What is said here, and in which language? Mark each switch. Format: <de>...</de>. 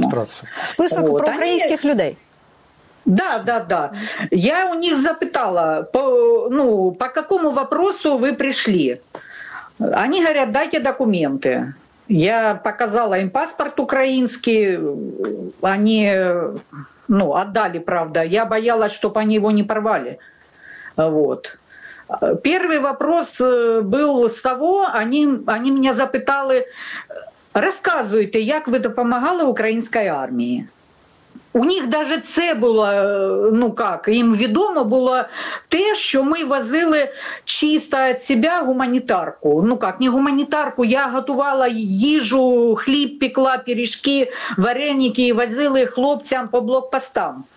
<uk>Фильтрація. Список про українських людей.</uk> <ru>Да, да, да.</ru> <uk>Я у них запитала, по якому вопросу ви прийшли. Вони говорять, дайте документи. Я показала їм паспорт український, вони...</uk> <ru>Ну, отдали, правда. Я боялась, чтобы они его не порвали. Вот. Первый вопрос был с того, они меня запитали, рассказывайте, как вы помогали украинской армии.</ru> <uk>У них навіть це було, ну як, їм відомо було те, що ми возили чисто від себе гуманітарку. Ну як, не гуманітарку, я готувала їжу, хліб пекла, пиріжки, вареники, і возили хлопцям по блокпостам.</uk>